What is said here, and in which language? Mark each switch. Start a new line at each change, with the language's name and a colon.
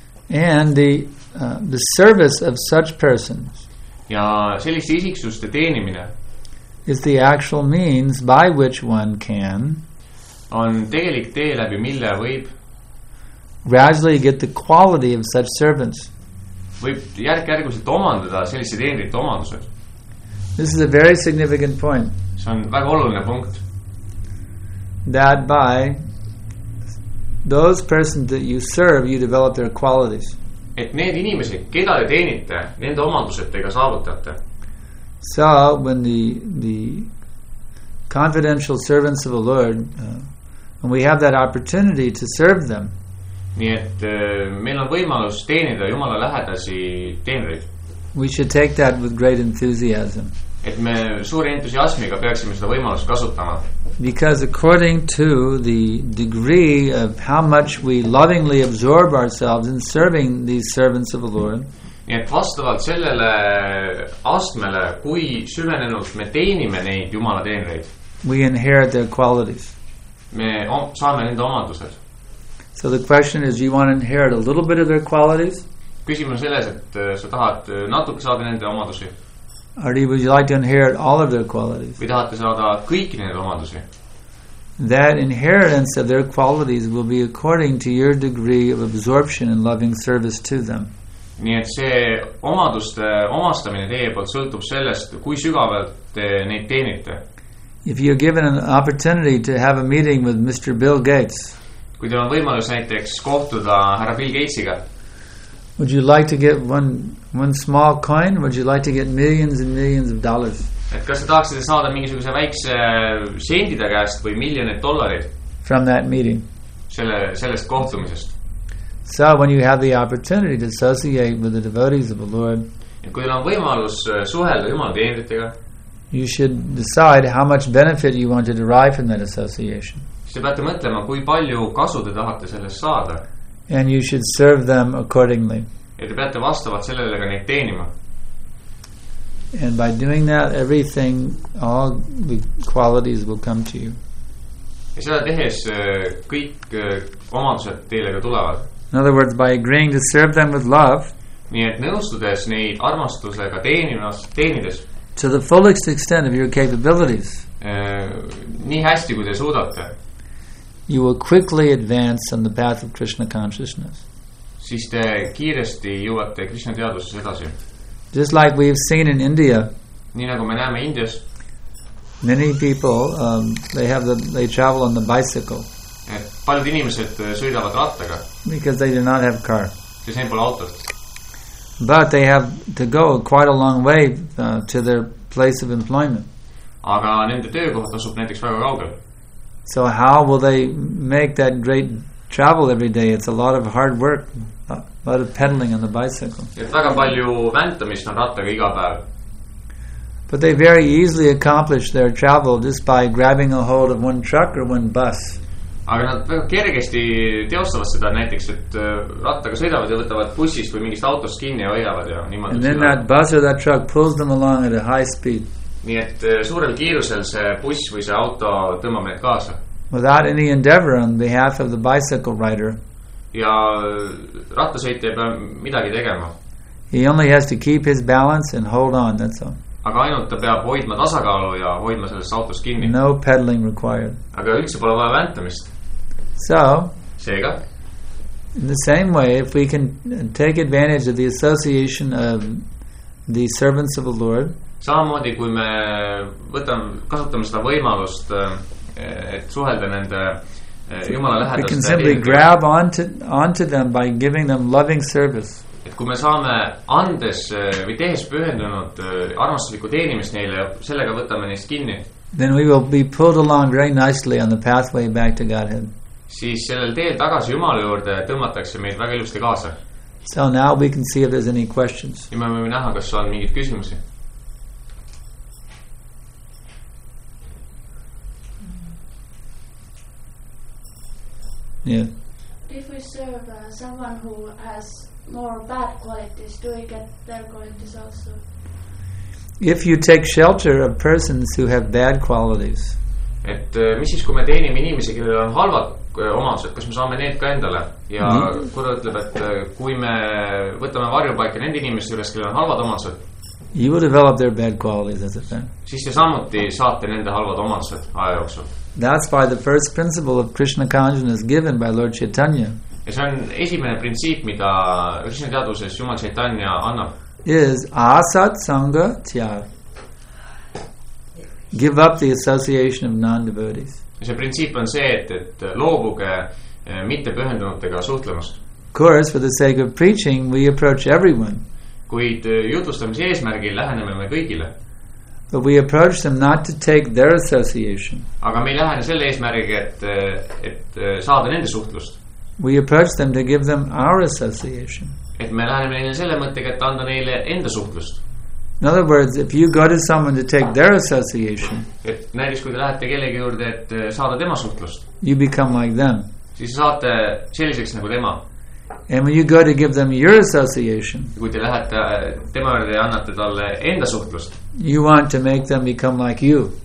English: And the service of such persons
Estonian: ja selliste isiksuste teenimine
English: is the actual means by which one can
Estonian: on tegelik tee läbi mille võib
English: gradually get the quality of such servants
Estonian: võib järgjärguselt omandada sellise teenrite omadused.
English: This is a very significant point.
Estonian: See on väga oluline punkt.
English: That by those persons that you serve, you develop their qualities.
Estonian: Et need inimesed, keda te teenite, nende omadusetega saavutate.
English: So, when the confidential servants of the Lord, when we have that opportunity to serve them,
Estonian: nii et meil on võimalus teenida Jumala lähedasi teenreid.
English: We should take that with great enthusiasm.
Estonian: Et me suure entusiasmiga peaksime seda võimalust kasutama.
English: Because according to the degree of how much we lovingly absorb ourselves in serving these servants of the Lord.
Estonian: Nii et vastavalt sellele astmele, kui süvenenult me teenime neid Jumala teenreid.
English: We inherit their qualities.
Estonian: Me saame nende omadused.
English: So the question is, you want to inherit a little bit of their qualities?
Estonian: Küsimus on selles, et sa tahad natuke saada nende omadusi.
English: Or would you like to inherit all of their qualities?
Estonian: Või tahate saada kõiki nende omadusi?
English: That inheritance of their qualities will be according to your degree of absorption and loving service to them.
Estonian: Nii et see omaduste omastamine teie poolt sõltub sellest, kui sügavalt te neid teenite.
English: If you're given an opportunity to have a meeting with Mr. Bill Gates,
Estonian: kui teil on võimalus näiteks kohtuda härra Bill Gatesiga,
English: would you like to get one small coin? Would you like to get millions and millions of dollars?
Estonian: Et kas te tahaksite saada mingisuguse väikse sendide käest või miljoneid dollareid?
English: From that meeting.
Estonian: Sellest kohtumisest.
English: So when you have the opportunity to associate with the devotees of the Lord,
Estonian: et kui teil on võimalus suhelda Jumala teenritega,
English: you should decide how much benefit you want to derive from that association.
Estonian: Te peate mõtlema, kui palju kasu te tahate sellest saada.
English: And you should serve them accordingly.
Estonian: Ja te peate vastavalt sellele ka neid teenima.
English: And by doing that, everything, all the qualities will come to you.
Estonian: Ja seda tehes kõik omadused teile ka tulevad.
English: In other words, by agreeing to serve them with love,
Estonian: nii et nõustudes neid armastusega teenides,
English: to the fullest extent of your capabilities,
Estonian: nii hästi kui te suudate,
English: you will quickly advance on the path of Krishna consciousness.
Estonian: Siis te kiiresti jõuate Krishna teadvuses edasi.
English: Just like we have seen in India.
Estonian: Nii nagu me näeme Indias.
English: Many people they travel on the bicycle.
Estonian: Et paljud inimesed sõidavad rattaga.
English: Because they do not have car.
Estonian: Sest neil pole autot.
English: But they have to go quite a long way to their place of employment.
Estonian: Aga nende töökoht asub näiteks väga kaugel.
English: So how will they make that great travel every day? It's a lot of hard work, a lot of pedaling on the bicycle.
Estonian: Et väga palju väntamist on rattaga iga päev.
English: But they very easily accomplish their travel just by grabbing a hold of one truck or one bus.
Estonian: Aga nad väga kergesti teostavad seda näiteks, et rattaga sõidavad ja võtavad bussist või mingist autost kinni ja hoiavad.
English: And then that bus or that truck pulls them along at a high speed.
Estonian: Nii et suurel kiirusel see buss või see auto tõmbab meid kaasa.
English: Without any endeavor on behalf of the bicycle rider.
Estonian: Ja rattasõitja ei pea midagi tegema.
English: He only has to keep his balance and hold on, that's all.
Estonian: Aga ainult ta peab hoidma tasakaalu ja hoidma sellest autos kinni.
English: No pedaling required.
Estonian: Aga üldse pole vaja väntamist.
English: So.
Estonian: Seega.
English: In the same way, if we can take advantage of the association of the servants of the Lord,
Estonian: samamoodi, kui me kasutame seda võimalust, et suhelda nende Jumala lähedaste
English: We can simply grab onto them by giving them loving service.
Estonian: Et kui me saame andes või tehes pühendunud armastusliku teenimist neile, sellega võtame neist kinni.
English: Then we will be pulled along very nicely on the pathway back to Godhead.
Estonian: Siis sellel teel tagasi Jumala juurde tõmmatakse meid väga ilusti kaasa.
English: So now we can see if there's any questions.
Estonian: Ja me võime näha, kas on mingid küsimusi.
English: Yeah. If we serve someone who has more bad qualities, do we get their qualities also? If you take shelter of persons who have bad qualities.
Estonian: Et mis siis kui me teenime inimesi, kellel on halvad omadused, kas me saame need ka endale? Ja kurva ütleb, et kui me võtame varjupaika nende inimeste üles, kellel on halvad omadused.
English: You will develop their bad qualities, as it then.
Estonian: Siis te samuti saate nende halvad omadused aja jooksul.
English: That's why the first principle of Krishna consciousness given by Lord Chaitanya.
Estonian: Ja see on esimene printsiip, mida Krishna teaduses Jumal Chaitanya annab.
Sanskrit: Is asat sanga tyag.
English: Give up the association of non-devotees.
Estonian: Ja see printsiip on see, et loobuge mitte pühendunutega suhtlemast.
English: Of course, for the sake of preaching, we approach everyone.
Estonian: Kuid jutustamise eesmärgil läheneme me kõigile.
English: But we approach them not to take their association.
Estonian: Aga me ei lähene selle eesmärgiga, et saada nende suhtlust.
English: We approach them to give them our association.
Estonian: Et me läheneme neile selle mõttega, et anda neile enda suhtlust.
English: In other words, if you go to someone to take their association.
Estonian: Et näiteks kui te lähete kellegi juurde, et saada tema suhtlust.
English: You become like them.
Estonian: Siis saate selliseks nagu tema.
English: And when you go to give them your association.
Estonian: Kui te lähete tema juurde ja annate talle enda suhtlust.
English: You want to make them become like you.